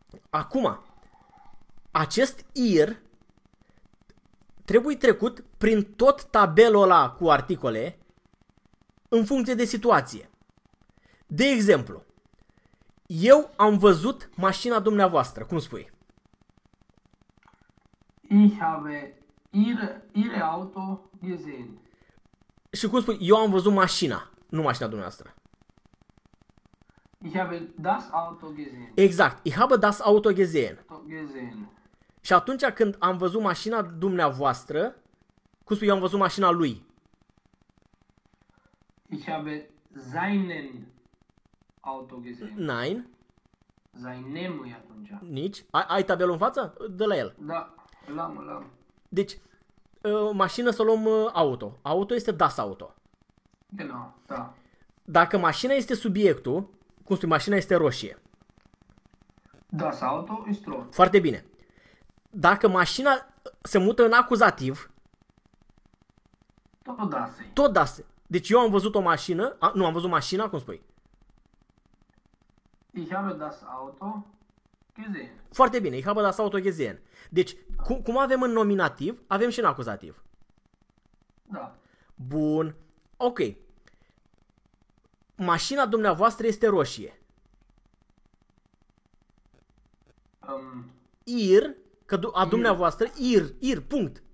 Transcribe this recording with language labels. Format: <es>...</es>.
<ro>Acum, acest ir trebuie trecut prin tot tabelul ăla cu articole în funcție de situație. De exemplu, eu am văzut mașina dumneavoastră. Cum spui?</ro> <de>Ich habe ihre Auto gesehen.</de> <ro>Și cum spui? Eu am văzut mașina, nu mașina dumneavoastră.</ro> <de>Ich habe das Auto gesehen.</de> <ro>Exact.</ro> <de>Ich habe das Auto gesehen. Gesehen.</de> <ro>Și atunci când am văzut mașina dumneavoastră, cum spui? Eu am văzut mașina lui.</ro> <de>Ich habe seinen Auto gesehen. Nein.</de> <ro>Seinem-ul e atunci. Nici? Ai tabelul în față? De la el. Da, l-am, l-am. Deci, mașină să luăm auto. Auto este</ro> <de>das auto.</de> <ro>Genau, da. Dacă mașina este subiectul, cum spui, mașina este roșie.</ro> <de>Das auto ist rot.</de> <ro>Foarte bine. Dacă mașina se mută în acuzativ. Tot dase. Tot dase. Deci eu am văzut o mașină, nu am văzut mașina, cum spui?</ro> <de>Ich habe das Auto gesehen.</de> <ro>Foarte bine,</ro> <de>ich habe das Auto gesehen.</de> <ro>Deci, da. Cum avem în nominativ, avem și în acuzativ. Da. Bun. Ok. Mașina dumneavoastră este roșie. Ir, că a dumneavoastră, ir, punct.</ro>